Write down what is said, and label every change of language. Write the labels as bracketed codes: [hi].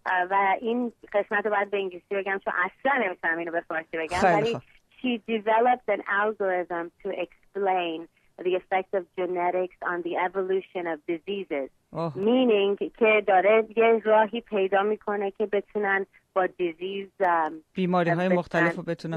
[fa] و این قسمت رو باید به انگلیسی بگم چون اصلا نمیتونم اینو به فارسی بگم. خیلی خوب. [en] She developed an algorithm to explain the effect of genetics on the evolution of diseases. [fa] Meaning که داره یه راهی پیدا میکنه که بتونن با دیزیز بیماری های مختلف رو بتونن